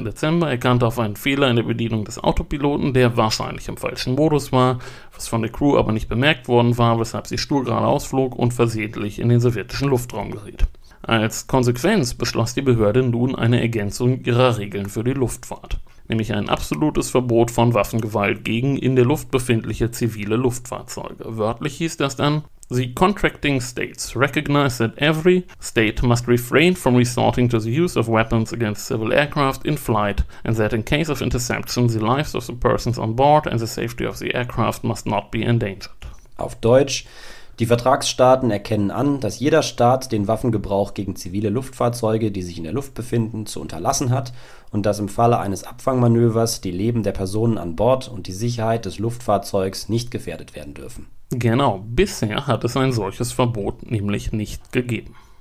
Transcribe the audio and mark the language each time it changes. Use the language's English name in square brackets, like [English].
[German] Dezember erkannte auf einen Fehler in der Bedienung des Autopiloten, der wahrscheinlich im falschen Modus war, was von der Crew aber nicht bemerkt worden war, weshalb sie sturgeradeaus flog und versehentlich in den sowjetischen Luftraum geriet. Als Konsequenz beschloss die Behörde nun eine Ergänzung ihrer Regeln für die Luftfahrt, nämlich ein absolutes Verbot von Waffengewalt gegen in der Luft befindliche zivile Luftfahrzeuge. Wörtlich hieß das dann: [English] The contracting states recognize that every state must refrain from resorting to the use of weapons against civil aircraft in flight and that in case of interception the lives of the persons on board and the safety of the aircraft must not be endangered. [German] Auf Deutsch: Die Vertragsstaaten erkennen an, dass jeder Staat den Waffengebrauch gegen zivile Luftfahrzeuge, die sich in der Luft befinden, zu unterlassen hat und dass im Falle eines Abfangmanövers die Leben der Personen an Bord und die Sicherheit des Luftfahrzeugs nicht gefährdet werden dürfen. Genau, bisher hat es ein solches Verbot nämlich nicht gegeben.